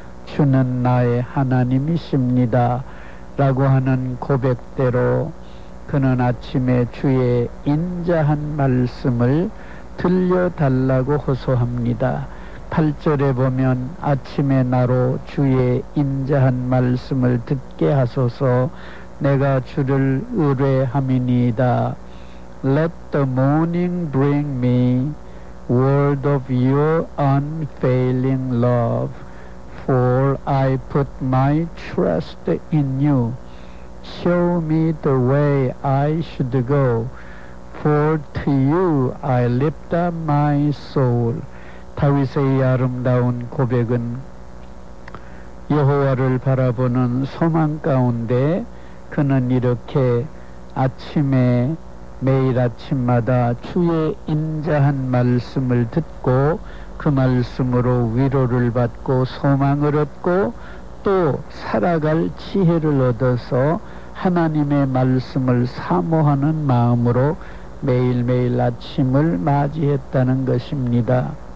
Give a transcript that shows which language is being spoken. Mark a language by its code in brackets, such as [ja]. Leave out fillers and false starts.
[ko] 주는 나의 하나님이십니다 라고 하는 고백대로 그는 아침에 주의 인자한 말씀을 들려달라고 호소합니다. 8절에 보면 아침에 나로 주의 인자한 말씀을 듣게 하소서. 내가 주를 의뢰함이니이다. [en] Let the morning bring me word of your unfailing love, for I put my trust in you. Show me the way I should go, for to you I lift up my soul. [ko] 다윗의 아름다운 고백은 여호와를 바라보는 소망 가운데 그는 이렇게 아침에 매일 아침마다 주의 인자한 말씀을 듣고 그 말씀으로 위로를 받고 소망을 얻고 또 살아갈 지혜를 얻어서 하나님의 말씀을 사모하는 마음으로 매일매일 아침을 맞이했다는 것입니다.